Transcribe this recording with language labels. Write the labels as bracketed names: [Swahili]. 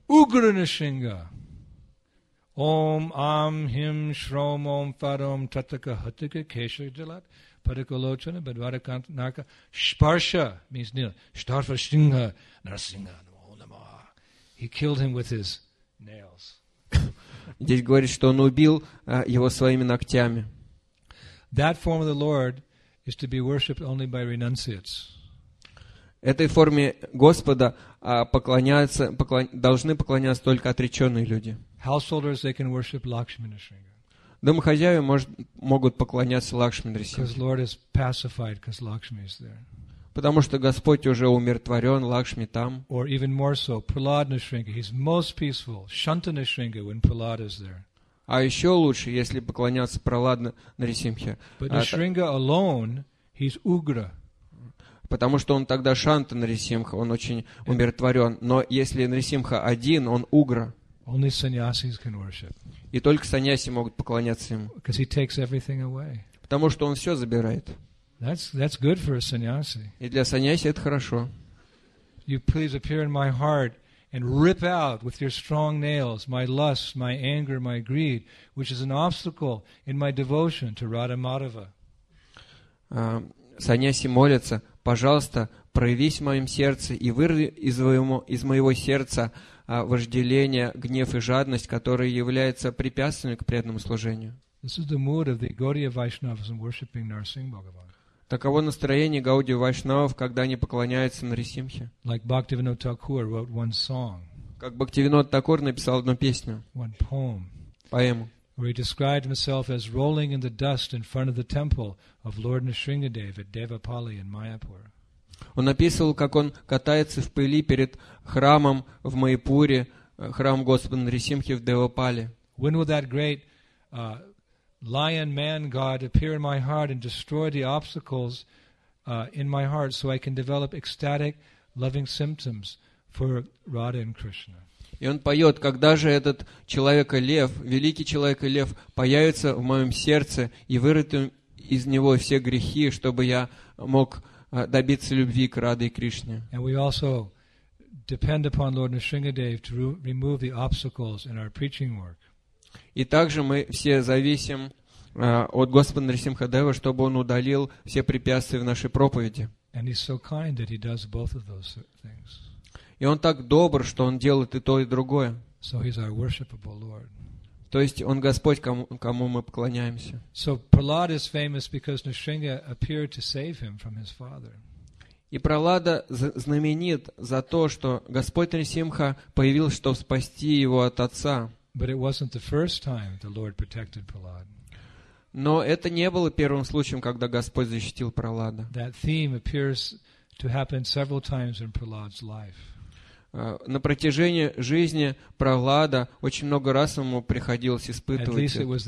[Sanskrit] Угранашинга. Ом ам хим шром ом фаром татака хатака кеша джалат. Padakalochana, Bhadvarakant Naka, Sparsha means Nila, Shtarfa Shingha, Narasingha, Namo. [English] He killed him with his nails. [Russian] Здесь говорит, что он убил его своими ногтями. [English] That form of the Lord is to be worshipped only by renunciates. [Russian] Этой форме Господа должны поклоняться только отреченные люди. [English] Householders, they can worship Lakshmi Narasingha. [Russian] Домохозяева могут поклоняться Лакшми Нарисимхе. Потому что Господь уже умиротворен, Лакшми там. [English] Or even more so, Prahlad Nrisimha, he's most peaceful. Shanta Nrisimha, when Prahlad is there. [Russian] А еще лучше, если поклоняться Prahlad Нарисимхе. [English] But Nrisimha alone, he's Ugra. [Russian] Потому что он тогда Шанта Нарисимха, он очень умиротворен. Но если Нрисимха один, он Угра. [English] Only sannyasis can worship. [Russian] И только саньяси могут поклоняться ему. [English] Because he takes everything away. [Russian] Потому что он все забирает. [English] That's good for a sannyasi. [Russian] И для саньяси это хорошо. [English] You please appear in my heart and rip out with your strong nails my lust, my anger, my greed, which is an obstacle in my devotion to Radha Madhava. [Russian] Саньяси молятся: пожалуйста, проявись в моем сердце и вырви из моего сердца вожделение, гнев и жадность, которые являются препятствием к преданному служению. [English] This is the mood of the Gaudiya Vaishnavas in worshiping Narasimha Bhagavan. [Russian] Таково настроение Гаудия Вайшнавов, когда они поклоняются Нарисимхе. [English] Like Bhaktivinoda Thakur wrote one song. [Russian] Как Бхактивинода Такур написал одну песню. [English] One poem. [Russian] Поэму. [English] Where he described himself as rolling in the dust in front of the temple of Lord Nrisimhadev at Devapali in Mayapur. [Russian] Он описывал, как он катается в пыли перед храмом в Майпуре, храм Господа Нарисимхи в Девапале. [English] When will that great lion man god appear in my heart and destroy the obstacles in my heart so I can develop ecstatic loving symptoms for Radha and Krishna? [Russian] И он поет, когда же этот человек-лев, великий человек-лев, появится в моем сердце и вырвет из него все грехи, чтобы я мог добиться любви к Раде и Кришне. [English] And we also depend upon Lord Nrisimhadev to remove the obstacles in our preaching work. [Russian] И также мы все зависим от Господа Нрисимхадева, чтобы он удалил все препятствия в нашей проповеди. [English] And he's so kind that he does both of those things. [Russian] И он так добр, что он делает и то, и другое. [English] So he's our worshipable Lord. [Russian] То есть он Господь, кому мы поклоняемся. [English] So Prahlad is famous because Nrisimha appeared to save him from his father. [Russian] И Прохлада знаменит за то, что Господь Нрисимха появился, чтобы спасти его от отца. [English] But it wasn't the first time the Lord protected Prahlad. [Russian] Но это не было первым случаем, когда Господь защитил Прохлада. [English] That theme appears to happen several times in Prahlad's life. [Russian] На протяжении жизни Прохлада очень много раз ему приходилось испытывать.